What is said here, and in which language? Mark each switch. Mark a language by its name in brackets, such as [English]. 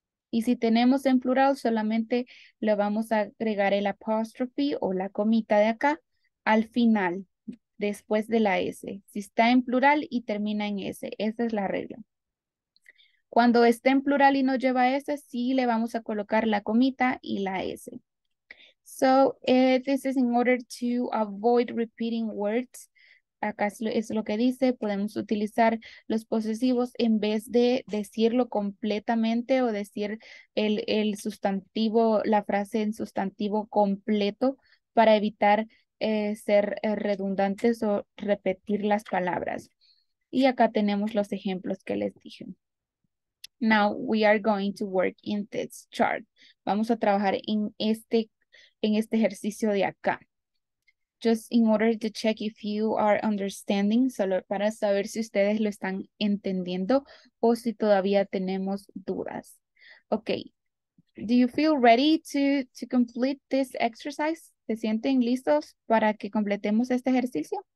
[Spanish] Y si tenemos en plural, solamente le vamos a agregar el apostrophe o la comita de acá al final, después de la S. Si está en plural y termina en S, esa es la regla. Cuando esté en plural y no lleva S, sí le vamos a colocar la comita y la S. [English] So, this is in order to avoid repeating words. [Spanish] Acá es lo que dice, podemos utilizar los posesivos en vez de decirlo completamente o decir el sustantivo, la frase en sustantivo completo para evitar ser redundantes o repetir las palabras. Y acá tenemos los ejemplos que les dije. [English] Now we are going to work in this chart. [Spanish] Vamos a trabajar en este ejercicio de acá. [English] Just in order to check if you are understanding, [Spanish] solo para saber si ustedes lo están entendiendo o si todavía tenemos dudas. Okay. [English] Do you feel ready to complete this exercise? [Spanish] ¿Se sienten listos para que completemos este ejercicio?